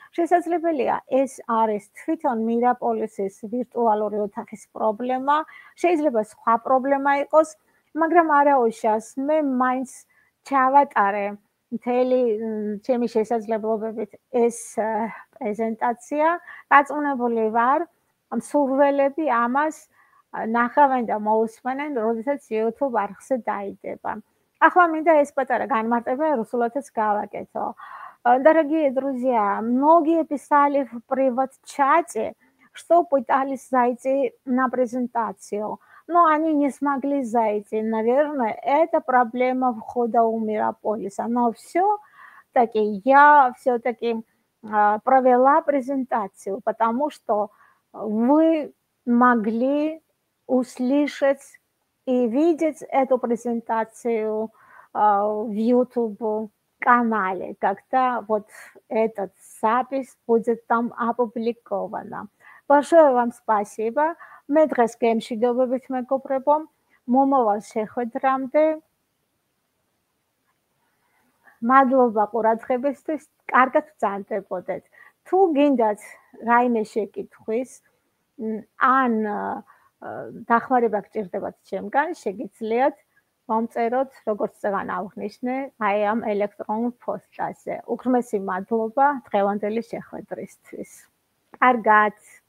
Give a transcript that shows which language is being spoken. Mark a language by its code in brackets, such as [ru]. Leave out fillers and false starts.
[ka] შესაძლებელია ეს არის თვითონ მირაპოლისის ვირტუალური ოთახის პრობლემა, შეიძლება სხვა პრობლემა იყოს, მაგრამ არაუშავს, მე მაინც ჩავატარე მთელი ჩემი შესაძლებლობებით ეს პრეზენტაცია. დაწუნებული ვარ, მსურველები ამას ნახავენ და მოუსმენენ, როდესაც YouTube არხზე დაიდება. ახლა მინდა ეს პატარა განმარტება რუსულადაც გავაკეთო. [ru] Дорогие друзья, многие писали в приват-чате, что пытались зайти на презентацию, но они не смогли зайти. Наверное, это проблема входа у Мирополиса. Но всё-таки я всё-таки провела презентацию, потому что вы могли услышать и видеть эту презентацию в YouTube канале, когда вот этот запись будет там опубликована. Большое вам спасибо. [ka] Мы დღეს გემშვიდობებით მეგობრებო. მომავალ შეხვედრამდე. მადლობა ყურადღებისთვის. კარგად ვწანდებოდეთ. თუ გინდათ რაიმე შეკითხვის, ან დახმარება გჭირდებათ ჩემგან, შეგიძლიათ მომწეროთ, როგორც წევან აღნიშნე, აი ამ ელექტრონულ ფოსტაზე. უქმესი მადლობა დღევანდელი შეხვედრისთვის. კარგად.